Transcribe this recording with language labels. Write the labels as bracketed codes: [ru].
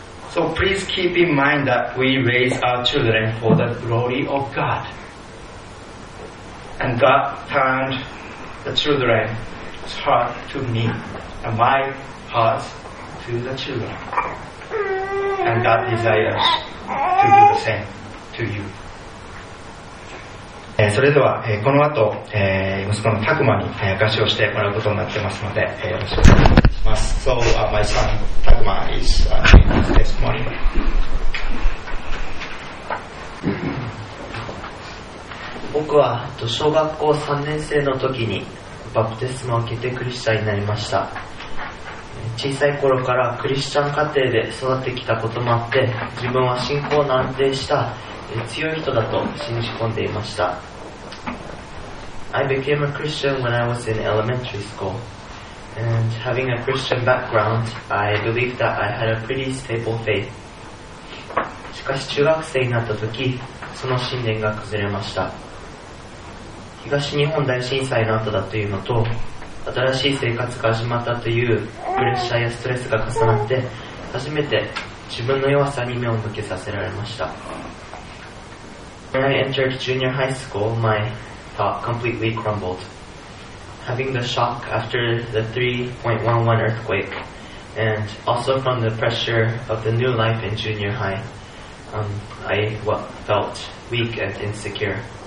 [en] So please keep in mind that we raise our children for the glory of God. And God turned the children's heart to me and my heart to the children. And God desires to do the same to you. [ja] それではこの後息子のタクマに証しをしてもらうことになってますのでよろしくお願いします。 [en] So my son Takuma is this morning. [ja] 僕は小学校3年生の時にバプテスマを受けてクリスチャンになりました。小さい頃からクリスチャン家庭で育ってきたこともあって、自分は信仰の安定した強い人だと信じ込んでいました。 [en] I became a Christian when I was in elementary school. And having a Christian background, I believed that I had a pretty stable faith. [ja] しかし中学生になった時、その信念が崩れました。東日本大震災の後だというのと、新しい生活が始まったというプレッシャーやストレスが重なって、初めて自分の弱さに目を向けさせられました。 [en] When I entered junior high school, my thought completely crumbled. Having the shock after the 3.11 earthquake, and also from the pressure of the new life in junior high, I felt weak and insecure.